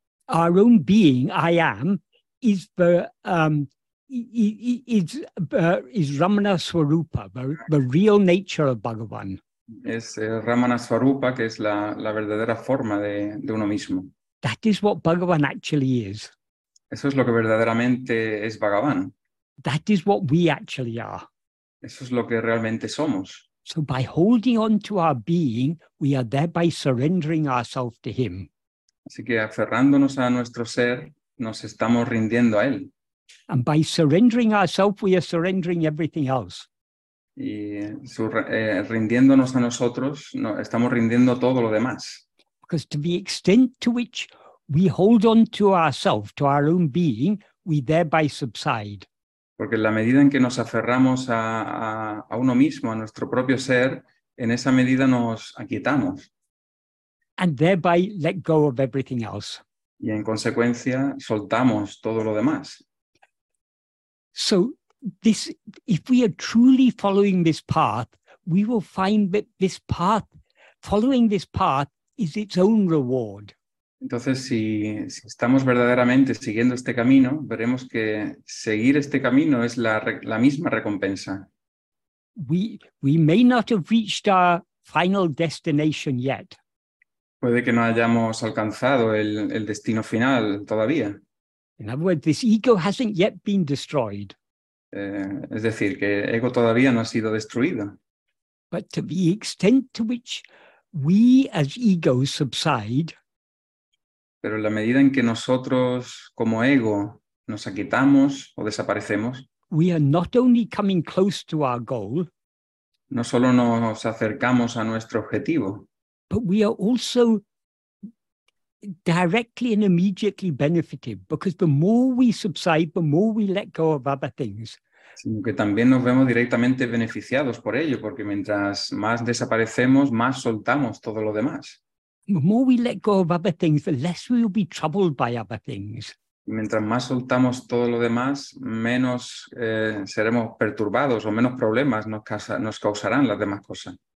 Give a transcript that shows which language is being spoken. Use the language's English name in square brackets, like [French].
[English] Our own being, I am, is the is Ramana Swarupa, the real nature of Bhagavan. [Spanish] Es Ramana Swarupa, que es la verdadera forma de uno mismo. [English] That is what Bhagavan actually is. [Spanish] Eso es lo que verdaderamente es Bhagavan. [English] That is what we actually are. [Spanish] Eso es lo que realmente somos. [English] So by holding on to our being, we are thereby surrendering ourselves to him. [Spanish] Así que aferrándonos a nuestro ser, nos estamos rindiendo a él. [English] And by surrendering ourselves, we are surrendering everything else. [Spanish] Y rindiéndonos a nosotros, no, estamos rindiendo todo lo demás. [English] Because to the extent to which we hold on to ourselves, to our own being, we thereby subside. [Spanish] Porque en la medida en que nos aferramos a uno mismo, a nuestro propio ser, en esa medida nos aquietamos. [English] And thereby let go of everything else. [Spanish] Y en consecuencia soltamos todo lo demás. [English] So this, if we are truly following this path, we will find that this path, following this path, is its own reward. [Spanish] Entonces, si estamos verdaderamente siguiendo este camino, veremos que seguir este camino es la misma recompensa. [English] We may not have reached our final destination yet. [Spanish] Puede que no hayamos alcanzado el destino final todavía. [English] In other words, this ego hasn't yet been destroyed. [Spanish] Es decir, que ego todavía no ha sido destruido. [English] But to the extent to which we as ego subside, [Spanish] pero en la medida en que nosotros como ego nos aquietamos o desaparecemos, [English] we are not only coming close to our goal, [Spanish] no solo nos acercamos a nuestro objetivo, [English] but we are also directly and immediately benefited, because the more we subside, the more we let go of other things. [Spanish] Sino que también nos vemos directamente beneficiados por ello, porque mientras más desaparecemos, más soltamos todo lo demás. [English] The more we let go of other things, the less we will be troubled by other things. [Spanish] Y mientras más soltamos todo lo demás, menos seremos perturbados o menos problemas nos causarán las demás cosas.